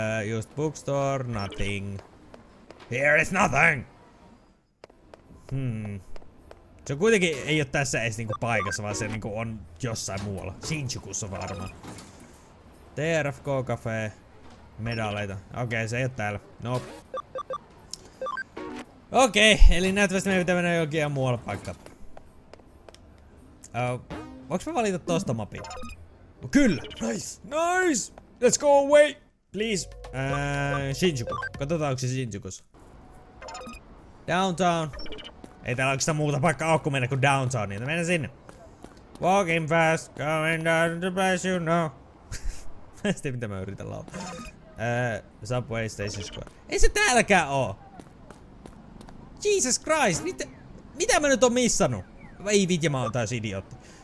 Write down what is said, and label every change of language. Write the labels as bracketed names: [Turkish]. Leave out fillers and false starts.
[English] Just bookstore, nothing. Here is nothing! [Finnish] Se kuitenkin ei oo tässä edes niinku paikassa, vaan se niinku on jossain muualla. Shinjukussa varmaan. TRFK Cafe. Medaleita. Okei, se ei oo täällä. Nope. Okei, eli näyttävästi meidän pitää mennä jokin ihan muualla paikka. Voinko mä valita tosta mapin? No, kyllä! [English] Nice! Nice! Let's go away! Please! Shinjuku. [Finnish] Katsotaan, onko se Shinjuku. [English] Downtown. [Finnish] Ei täällä oikeastaan muuta paikkaa ole kuin mennä kuin downtown, niin mennä sinne. [English] Walking fast, coming down to the place you know. [Finnish] Mä en tiedä, mitä mä yritän laulaa. Subway Station Square. Ei se täälläkään oo! [English] Jesus Christ, [Finnish] mitä mä nyt oon missannut? Ei vitja, mä oon täys idiootti.